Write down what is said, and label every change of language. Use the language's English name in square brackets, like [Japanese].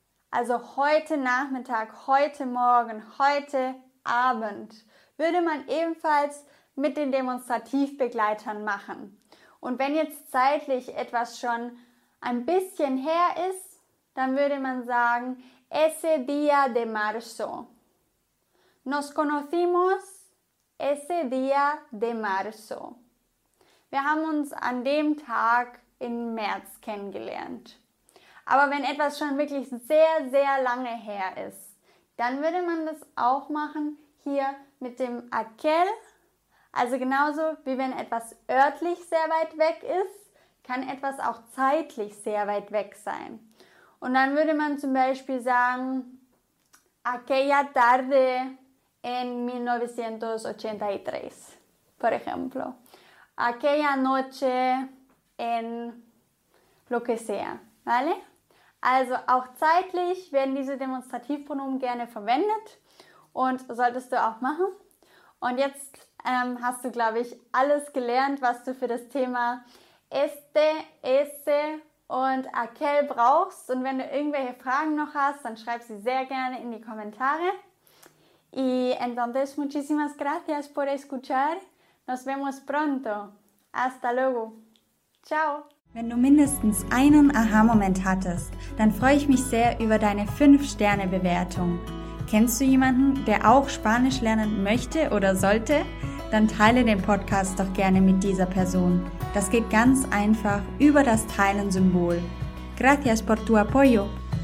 [German] Also heute Nachmittag, heute Morgen, heute Abend würde man ebenfalls mit den Demonstrativbegleitern machen. Und wenn jetzt zeitlich etwas schon ein bisschen her ist, dann würde man sagen, [Spanish] ese día de marzo. Nos conocimos ese día de marzo. [German] Wir haben uns an dem Tag im März kennengelernt. Aber wenn etwas schon wirklich sehr, sehr lange her ist, dann würde man das auch machen hier mit dem aquel. Also genauso wie wenn etwas örtlich sehr weit weg ist, kann etwas auch zeitlich sehr weit weg sein. Und dann würde man zum Beispiel sagen, [Spanish] aquella tarde en 1983, por ejemplo. Aquella noche en lo que sea, ¿vale? [German] Also auch zeitlich werden diese Demonstrativpronomen gerne verwendet und solltest du auch machen. Und jetzt hast du, glaube ich, alles gelernt, was du für das Thema este, ese und aquel brauchst. Und wenn du irgendwelche Fragen noch hast, dann schreib sie sehr gerne in die Kommentare. [Spanish] Y entonces, muchísimas gracias por escuchar. Nos vemos pronto. Hasta luego. Ciao. [German] Wenn du mindestens einen Aha-Moment hattest, dann freue ich mich sehr über deine 5-Sterne-Bewertung. Kennst du jemanden, der auch Spanisch lernen möchte oder sollte? Dann teile den Podcast doch gerne mit dieser Person. Das geht ganz einfach über das Teilen-Symbol. [Spanish] Gracias por tu apoyo.